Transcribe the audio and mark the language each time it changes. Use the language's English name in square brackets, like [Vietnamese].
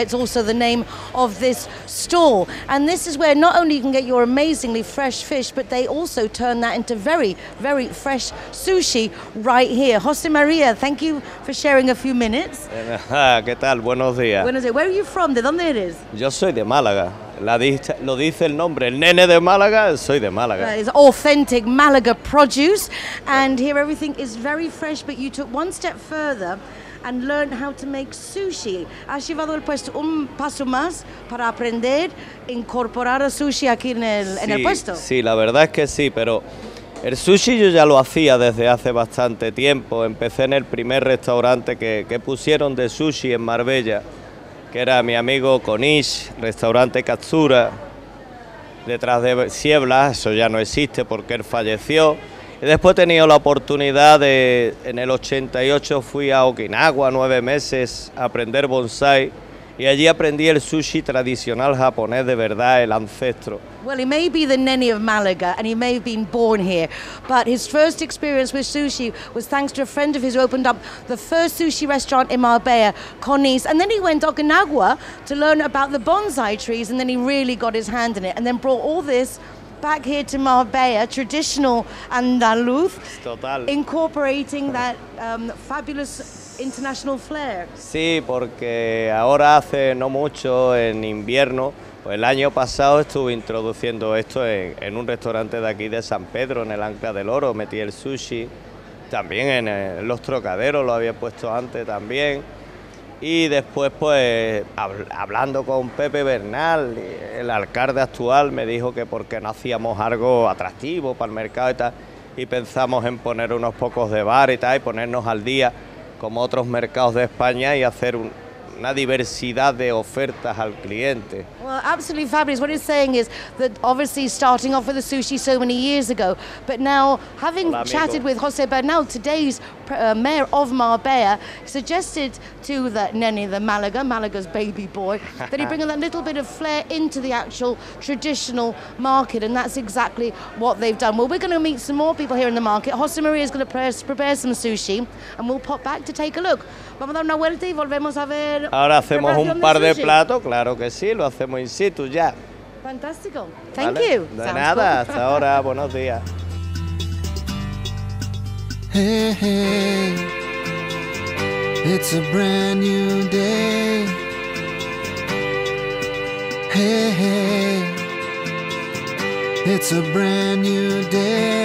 [English] It's also the name of this store. And this is where not only you can get your amazingly fresh fish, but they also turn that into very, very fresh sushi right here. Jose Maria, thank you for sharing a few minutes. [Spanish] ¿Qué tal? Buenos días. Buenos días. [English] Where are you from? [Spanish] ¿De dónde eres? Yo soy de Málaga. Lo dice el nombre, el Nene de Málaga, soy de Málaga. [English] It's authentic Málaga produce, and here everything is very fresh, but you took one step further and learned how to make sushi. [Spanish] Has llevado el puesto un paso más para aprender incorporar a sushi aquí en el, sí, en el puesto. Sí, la verdad es que sí, pero el sushi yo ya lo hacía desde hace bastante tiempo. Empecé en el primer restaurante que pusieron de sushi en Marbella, que era mi amigo Conish, restaurante Katsura, detrás de Siebla. Eso ya no existe porque él falleció. Y después he tenido la oportunidad de, en el 88 fui a Okinawa 9 meses a aprender bonsai, y allí aprendí el sushi tradicional japonés de verdad, el ancestro. [English] Well, he may be the Nene of Malaga, and he may have been born here, but his first experience with sushi was thanks to a friend of his who opened up the first sushi restaurant in Marbella, Conis. And then he went to Okinawa to learn about the bonsai trees, and then he really got his hand in it, and then brought all this back here to Marbella, traditional Andaluz, [Spanish] total, [English] incorporating that fabulous international flair. [Spanish] Sí, porque ahora hace no mucho, en invierno, pues el año pasado estuve introduciendo esto en un restaurante de aquí de San Pedro, en el Ancla del Oro, metí el sushi, también en los trocaderos lo había puesto antes también, y después pues hablando con Pepe Bernal, el alcalde actual, me dijo que porque no hacíamos algo atractivo para el mercado y tal, y pensamos en poner unos pocos de bar y tal, y ponernos al día como otros mercados de España y hacer una diversidad de ofertas al cliente. [English] Well, absolutely fabulous. What he's saying is that obviously starting off with the sushi so many years ago, but now having [Spanish] Hola, [English] chatted with Jose Bernal, today's mayor of Marbella, suggested to the Nene the Malaga, Malaga's baby boy, that he bring that little bit of flair into the actual traditional market, and that's exactly what they've done. Well, we're going to meet some more people here in the market. Jose Maria is going to prepare some sushi, and we'll pop back to take a look. [Spanish] Vamos a dar una vuelta y volvemos a ver. Ahora hacemos un par de platos, claro que sí, lo hacemos in situ ya. [English] Fantástico, thank you. De Sounds nada, cool. [Spanish] Hasta ahora, buenos días. [English] Hey, hey, it's a brand new day. Hey, hey, it's a brand new day.